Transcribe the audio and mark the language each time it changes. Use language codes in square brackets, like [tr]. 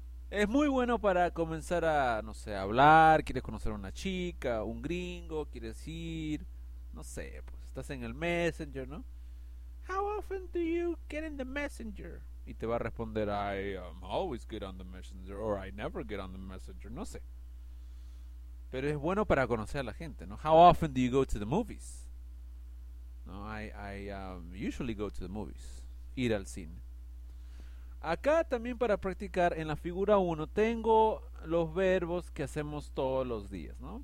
[es] Es muy bueno para comenzar a, no sé, hablar. Quieres conocer a una chica, un gringo. Quieres ir, no sé, pues estás en el Messenger, ¿no? [en] How often do you get in the Messenger? [es] Y te va a responder, [en] I always get on the messenger, [es] or I never get on the messenger, no sé. Pero es bueno para conocer a la gente, ¿no? [en] How often do you go to the movies? No, I usually go to the movies. [es] Ir al cine. Acá también para practicar en la figura 1 tengo los verbos que hacemos todos los días, ¿no?